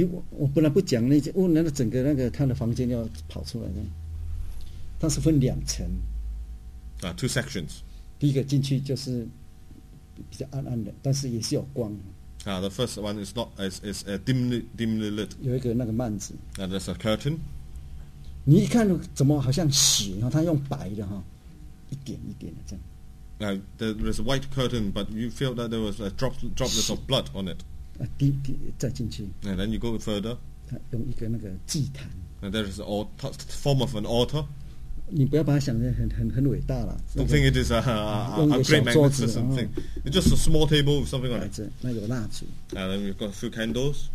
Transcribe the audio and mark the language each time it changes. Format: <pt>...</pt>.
<zh>我本来不讲那些，问了整个那个他的房间要跑出来的，他是分两层。</zh> <en>Two sections.</en> <zh>第一个进去就是比较暗暗的，但是也是有光。</zh> <en>The first one is not is a dimly lit.</en> <zh>有一个那个幔子。</zh> <en>There's a curtain.</en> <zh>你一看怎么好像雪，他用白的哈，一点一点的这样。</zh> <en>There is a white curtain, but you feel that there was a droplet of blood on it.</en> <zh>再进去。</zh> <en>And then you go further.</en> <zh>用一个那个祭坛。</zh> <en>And there is an altar, form of an altar.</en> <zh>你不要把它想得很伟大了。</zh> <en>Don't think it is a great magnificent thing. It's just a small table with something on it.</en> <zh>那有蜡烛。</zh> <en>And then you've got a few candles.</en>